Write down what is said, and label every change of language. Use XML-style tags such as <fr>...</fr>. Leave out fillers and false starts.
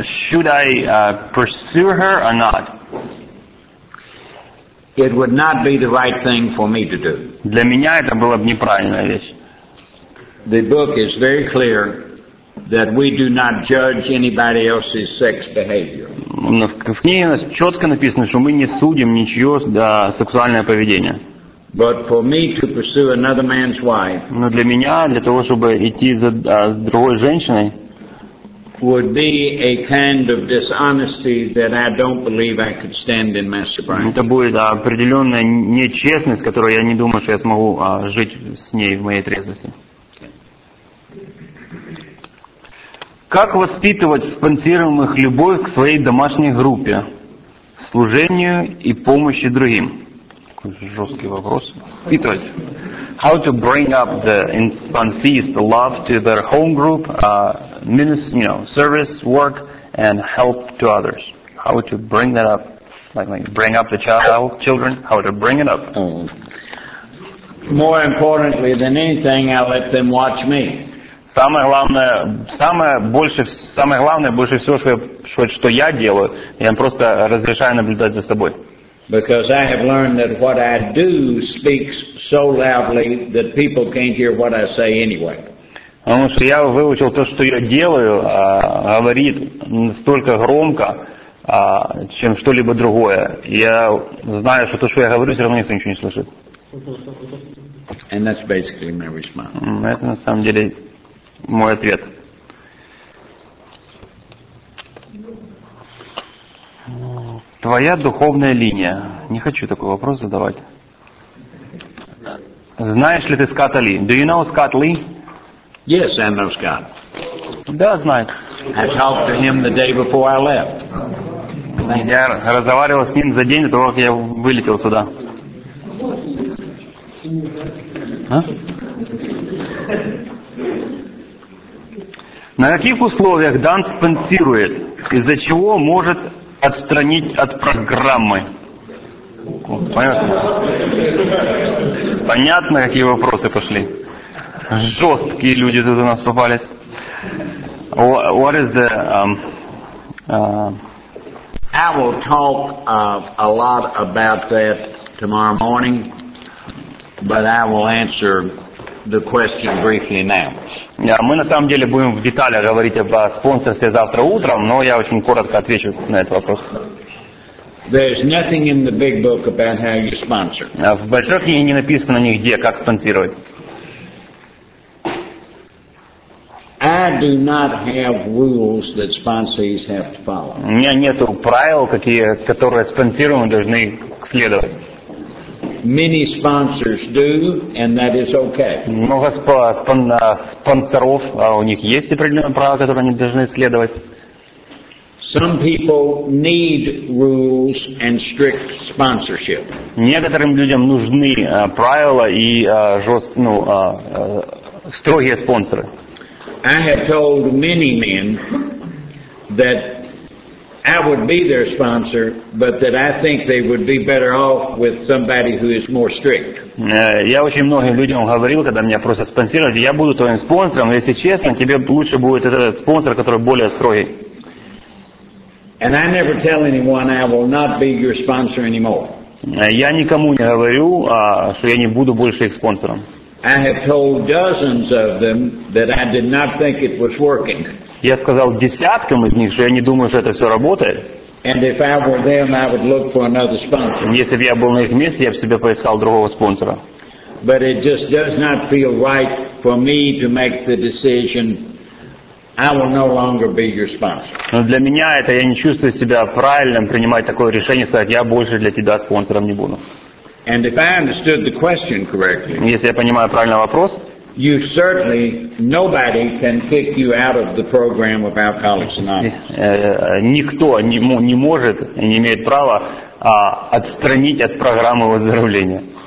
<en>Should I pursue her or not? It would not be the right thing for me to do.</en> <ru>Для меня это было бы неправильная вещь.</ru> <en>The book is very clear that we do not judge anybody else's sex behavior.</en> <ru>В книге четко написано, что мы не судим ничьё сексуальное поведение.</ru> <en>But for me to pursue another man's wife.</en> <ru>Но для меня, для того чтобы идти за другой женщиной,</ru> <en>would be a kind of dishonesty that I don't believe I could stand in my sobriety.</en> <ru>Это будет определенная нечестность, которую я не думаю, что я смогу жить с ней в моей трезвости. Как воспитывать спонсируемых любовь к своей домашней группе, служению и помощи другим? Какой жесткий вопрос. Воспитывать.</ru> <en>How to bring up the sponsees, the love to their home group, ministry, service, work, and help to others. how to bring that up, like bring up the child, children, how to bring it up. More importantly than anything, I let them watch me.</en> <ru>Самое главное, больше всего, что я делаю, я просто разрешаю наблюдать за собой.</ru> <en>Because I have learned that what I do speaks so loudly that people can't hear what I say anyway.</en> <ru>Потому что я выучил то, что я делаю, говорит настолько громко, чем что-либо другое. Я знаю, что то, что я говорю, все равно никто ничего не слышит.</ru> <en>And that's basically my response.</en> <ru>Это на самом деле мой ответ. Твоя духовная линия. Не хочу такой вопрос задавать. Знаешь ли ты Скат Ли?</ru> <en>Do you know Scott Lee? Yes, I know Scott.</en> <ru>Да, знаю.</ru> <en>I talked to him the day before I left.</en> <ru>Я разговаривал с ним за день до того, как я вылетел сюда. На каких условиях Дан спонсирует? Из-за чего может отстранить от программы? Понятно, какие вопросы пошли. Жесткие люди тут у нас попались.</ru> <en>What is the? I will talk a lot about that tomorrow morning, but I will answer the question briefly now.</en> <ru>Yeah, мы на самом деле будем в деталях говорить об спонсорстве завтра утром, но я очень коротко отвечу на этот вопрос.</ru> <en>There's nothing in the big book about how you sponsor.</en> <ru>В большой книге не написано нигде, как спонсировать.</ru> <en>I do not have rules that sponsors have to follow.</en> <ru>У меня нету правил, которые спонсируемые должны следовать.</ru> <en>Many sponsors do, and that is okay.</en> <ru>Много спонсоров, а у них есть определенные правила, которые они должны следовать.</ru> <en>Some people need rules and strict sponsorship.</en> <ru>Некоторым людям нужны правила и строгие спонсоры.</ru> <en>I have told many men that I would be their sponsor, but that I think they would be better off with somebody who is more strict.</en> <ru>Я очень многим людям говорил, когда меня просто спонсировали, я буду твоим спонсором, но если честно, тебе лучше будет этот спонсор, который более строгий.</ru> <en>And I never tell anyone I will not be your sponsor anymore.</en> <ru>Я никому не говорю, что я не буду больше их спонсором.</ru> <en>I have told dozens of them that I did not think it was working.</en> <ru>Я сказал десяткам из них, что я не думаю, что это все работает.</ru> <en>And if I were them, I would look for another sponsor.</en> <ru>Если бы я был на их месте, я бы себе поискал другого спонсора.</ru> <en>But it just does not feel right for me to make the decision. I will no longer be your sponsor.</en> <ru>Но для меня это я не чувствую себя правильным принимать такое решение, сказать, я больше для тебя спонсором не буду.</ru> <en>And if I understood the question correctly,</en> <ru>если я понимаю правильно вопрос,</ru> <en>you certainly nobody can kick you out of the program of Alcoholics Anonymous.</en> <ru>Никто не может и не имеет права отстранить от программы выздоровления.</ru>